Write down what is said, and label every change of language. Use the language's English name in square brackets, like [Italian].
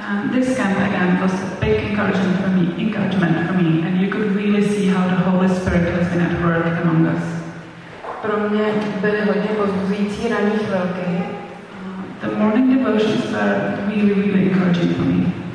[English] This camp again was a big encouragement for me, and you could really see how the Holy Spirit has been at work among us. [Czech] Pro mě byly hodně povzbuzující ranní chvilky. [English] The morning devotions were really, really encouraging for me.